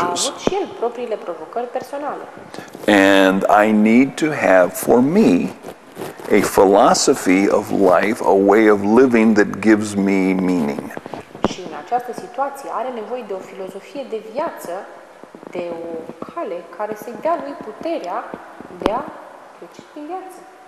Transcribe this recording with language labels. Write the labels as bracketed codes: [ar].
[ro] A avut și el propriile provocări personale. [en] And I need to have for me a philosophy of life, a way of living that gives me meaning. [ro] Și în această situație are nevoie de o filozofie de viață, de o cale care să-i dea lui puterea de a trece prin viață.